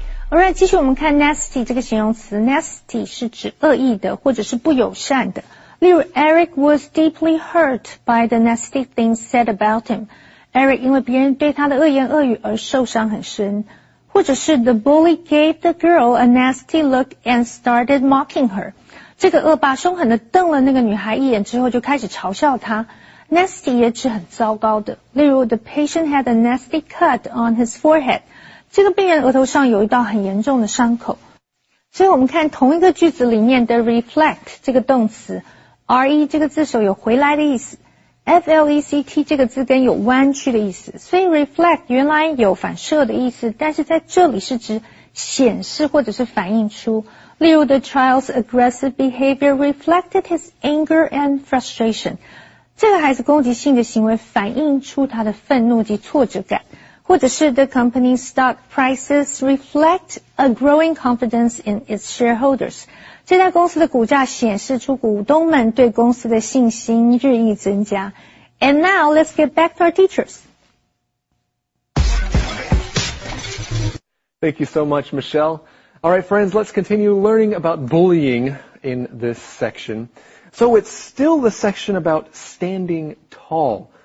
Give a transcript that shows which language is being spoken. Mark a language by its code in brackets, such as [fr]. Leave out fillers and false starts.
[zh] All right, 继续我们看 nasty 这个形容词。Nasty 是指恶意的或者是不友善的。 [en] 例如 Eric was deeply hurt by the nasty things said about him. [zh] Eric 因为别人对他的恶言恶语而受伤很深。 [en] 或者是 the bully gave the girl a nasty look and started mocking her. [zh] 这个恶霸凶狠地瞪了那个女孩一眼之后就开始嘲笑她。 Nasty 也指很糟糕的。 [en] 例如 the patient had a nasty cut on his forehead. [zh] 这个病人额头上有一道很严重的伤口。所以我们看同一个句子里面的 reflect 这个动词 ,re 这个字首有回来的意思。 FLECT 这个字根有弯曲的意思，所以 reflect 原来有反射的意思，但是在这里是指显示或者是反映出。 [en] 例如 ,the child's aggressive behavior reflected his anger and frustration. [zh] 这个孩子攻击性的行为反映出他的愤怒及挫折感。 [en] 或者是 ,the company's stock prices reflect a growing confidence in its shareholders. [zh] 这家公司的股价显示出股东们对公司的信心日益增加。 [en] And now, let's get back to our teachers. Thank you so much, Michelle. All right, friends, let's continue learning about bullying in this section. So it's still the section about standing tall.